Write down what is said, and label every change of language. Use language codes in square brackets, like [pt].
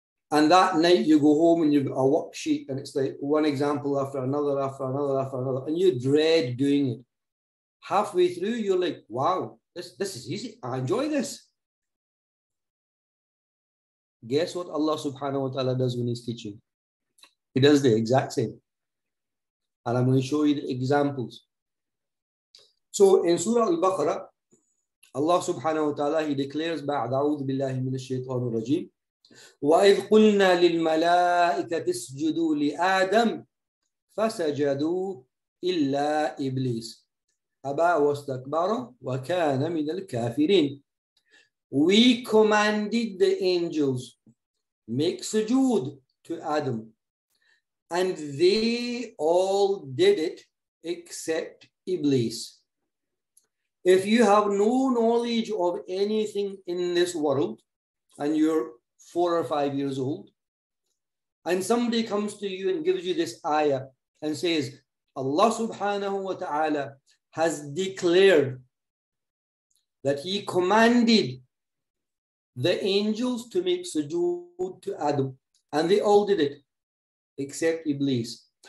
[en] And that night you go home and you've got a worksheet, and it's like one example after another, after another, after another, and you dread doing it. Halfway through, you're like, wow, this is easy. I enjoy this. Guess what Allah subhanahu wa ta'ala does when he's teaching? He does the exact same. And I'm going to show you the examples. So in Surah Al-Baqarah, Allah subhanahu wa ta'ala, he declares, [ar] بعد أعوذ بالله من الشيطان الرجيم وَإِذْ قُلْنَا لِلْمَلَائِكَةِ اسْجُدُوا لِآدَمْ فَسَجَدُوا إِلَّا إِبْلِيسِ أَبَا وَاسْتَكْبَرَ وَكَانَ مِنَ الْكَافِرِينَ. [en] We commanded the angels, make sujood to Adam. And they all did it except Iblis. If you have no knowledge of anything in this world, and you're 4 or 5 years old, and somebody comes to you and gives you this ayah and says, Allah subhanahu wa ta'ala has declared that he commanded the angels to make sujood to Adam, and they all did it except Iblis.